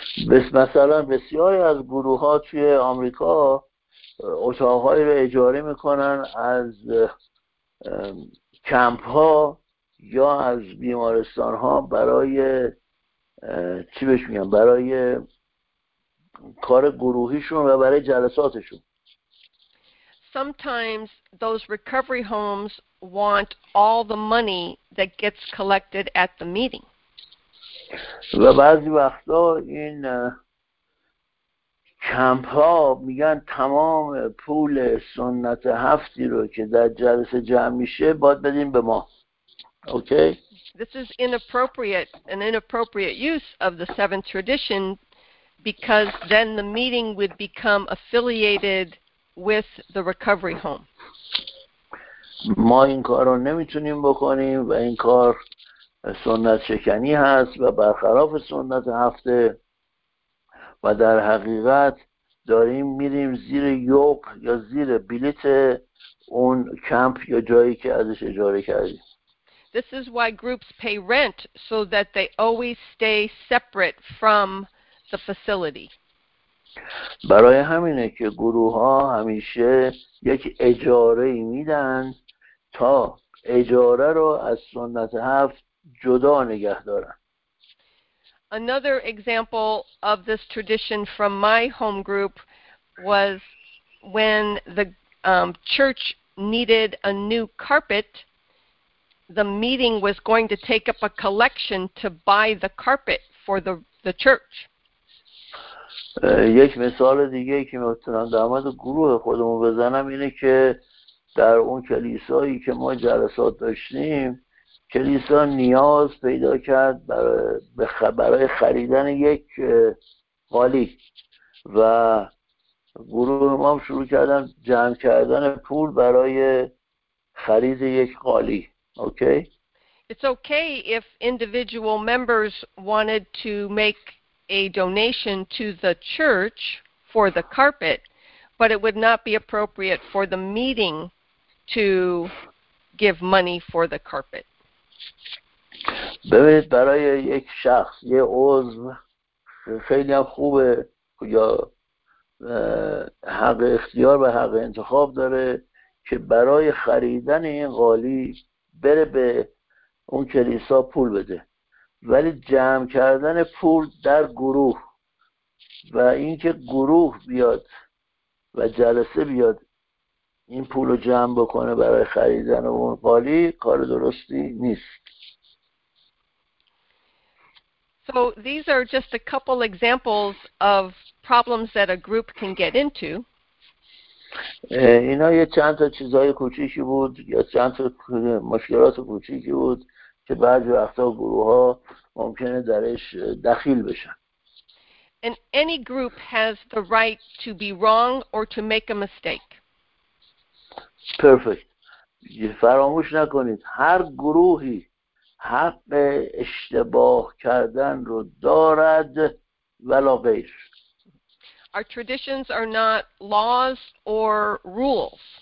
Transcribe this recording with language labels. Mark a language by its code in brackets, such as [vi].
[fa] مثلا بسیاری از گروه ها توی آمریکا اتاقهایی رو اجاره میکنن از کمپ ها یا از بیمارستان ها برای چی بهش میگن، برای کار گروهیشون و برای جلساتشون. [en] Sometimes those recovery homes want all the money that gets collected at the meeting. [fa] و بعضی وقتا این کمپ ها میگن تمام پول سنت هفتی رو که در جلسه جمع میشه باید بدین به ما. [en] Okay? This is inappropriate, an inappropriate use of the seventh tradition, because then the meeting would become affiliated with the recovery home. [fa] ما این کار رو نمیتونیم بکنیم و این کار سنت شکنی هست و برخلاف سنت هفته و در حقیقت داریم میریم زیر یوق یا زیر بلیت اون کمپ یا جایی که ازش اجاره کردیم. [en] This is why groups pay rent so that they always stay separate from the facility. [fa] برای همینه که گروه ها همیشه یک اجاره میدن تا اجاره رو از سنت هفت جدا نگه دارن. [en] Another example of this tradition from my home group was when the church needed a new carpet, the meeting was going to take up a collection to buy the carpet for the church. [fa] یک مثال دیگه که میتونم در مورد گروه خودمون بزنم اینه که در اون کلیسایی که ما جلسات داشتیم، کلیسا نیاز پیدا کرد برای خریدن یک قالی و گروه ما هم شروع کردن جمع کردن پول برای خرید یک قالی. [en] Okay? It's okay if individual members wanted to make a donation to the church for the carpet, but it would not be appropriate for the meeting to give money for the carpet. [fa] ببینید برای یک شخص، یه عضو خیلی هم خوبه یا حق اختیار و حق انتخاب داره که برای خریدن این قالی بره به اون کلیسا پول بده، ولی جمع کردن پول در گروه و اینکه گروه بیاد و جلسه بیاد این پول رو جمع بکنه برای خریدن اون قالی کار درستی نیست. [en] So these are just a couple examples of problems that a group can get into. [fa] اینا یه چند تا چیزهای کوچیکی بود یا چند تا مشکلات کوچیکی بود که بعضی وقتا گروه ها ممکنه درش دخیل بشن. [en] And any group has the right to be wrong or to make a mistake. Perfect. [fa] فراموش نکنید هر گروهی حق اشتباه کردن رو دارد ولا غیر. [en] Our traditions are not laws or rules.